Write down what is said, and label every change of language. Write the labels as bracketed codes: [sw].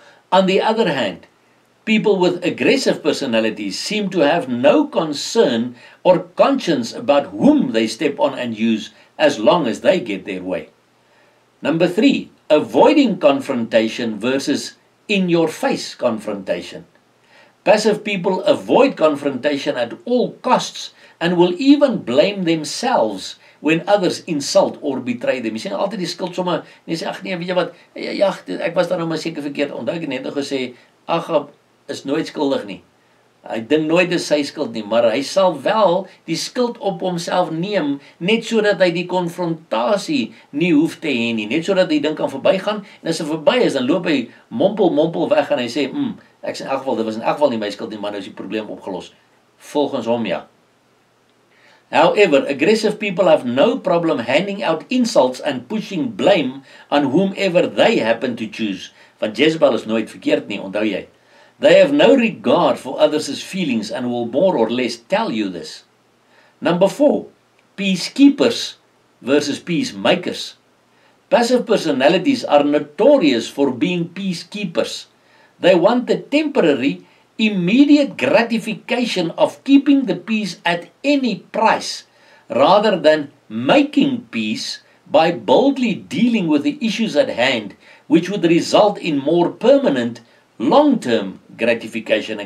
[en] On the other hand, people with aggressive personalities seem to have no concern or conscience about whom they step on and use as long as they get their way. Number 3, avoiding confrontation versus in-your-face confrontation. Passive people avoid confrontation at all costs and will even blame themselves when others insult or betray them. [af] Jy sien altyd die skuld sommer, jy sê, ag nee, weet jy wat, ja, ek was daar nou maar seker verkeerd, onthou ek net nog gesê, ag, is nooit skuldig nie. Hy dink nooit is sy skuld nie, maar hy sal wel die skuld op homself neem, net so dat hy die konfrontasie nie hoef te hê nie, net so dat hy dink kan verbygaan, en as hy verby is, dan loop hy mompel weg, en hy sê, ek is in elk geval, dit was in elk geval nie my skuld nie, maar nou is die probleem opgelos. Volgens hom, ja. [en] However, aggressive people have no problem handing out insults and pushing blame on whomever they happen to choose. [af] Want Jezebel is nooit verkeerd nie, onthou jy. [en] They have no regard for others' feelings and will more or less tell you this. Number 4, peacekeepers versus peacemakers. Passive personalities are notorious for being peacekeepers. They want the temporary, immediate gratification of keeping the peace at any price, rather than making peace by boldly dealing with the issues at hand, which would result in more permanent, long-term gratification.